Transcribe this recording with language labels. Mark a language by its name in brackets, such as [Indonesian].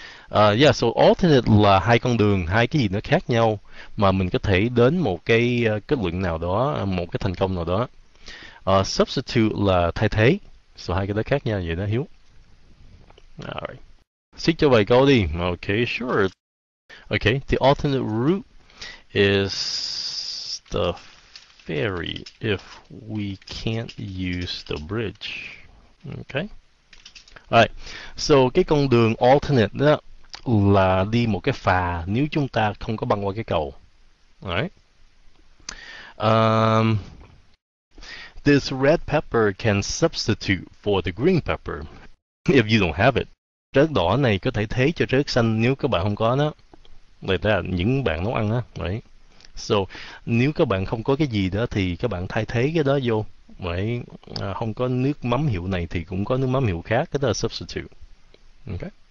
[Vietnamese] Yeah, so alternate là hai con đường, hai cái gì nó khác nhau mà mình có thể đến một cái kết luận nào đó, một cái thành công nào đó. Substitute là thay thế, so hai cái đó khác nhau, vậy đó Hiếu. Alright, xích cho vài câu đi. [English] Okay, sure. Okay, the alternate route is the ferry if we can't use the bridge. Okay. [Vietnamese] Alright, so cái con đường alternate đó là đi một cái phà nếu chúng ta không có băng qua cái cầu. [English] Alright. This red pepper can substitute for the green pepper if you don't have it. [Vietnamese] Trái đỏ này có thể thế cho trái xanh nếu các bạn không có nó. Đây là những bạn nấu ăn á. Right. So, nếu các bạn không có cái gì đó thì các bạn thay thế cái đó vô. Vậy không có nước mắm hiệu này thì cũng có nước mắm hiệu khác, cái đó là substitute. Okay.